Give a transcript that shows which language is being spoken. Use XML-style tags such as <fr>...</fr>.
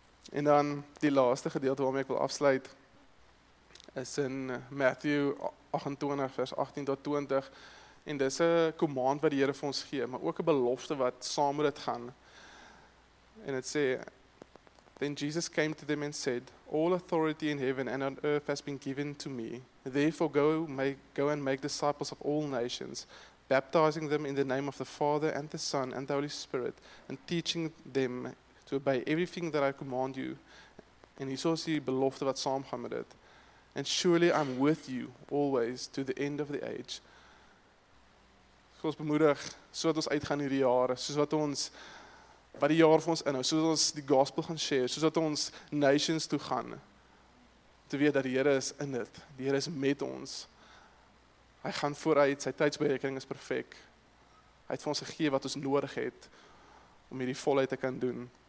<af>En dan die laaste gedeelte waarmee ek wil afsluit is in Matthew 28 vers 18 tot 20. En dis 'n command wat die Here vir ons gee, maar ook 'n belofte wat saam met dit gaan. En het sê,</af> <en>Then Jesus came to them and said, All authority in heaven and on earth has been given to me. Therefore go and make disciples of all nations, baptizing them in the name of the Father and the Son and the Holy Spirit, and teaching them to obey everything that I command you.</en> <af>En hier is die belofte wat saam gaan met dit.</af> <en>And surely I'm with you always to the end of the age.</en> <af>Ons bemoedig, so dat ons uitgaan hierdie jare, soos wat ons, wat die jaar vir ons inhou, soos ons die gospel gaan share, soos dat ons nations toe gaan, te weet dat die Here is in dit, die Here is met ons, hy gaan vooruit, sy tydsberekening is perfek, hy het vir ons gegee wat ons nodig het, om hierdie volheid te kan doen.</af>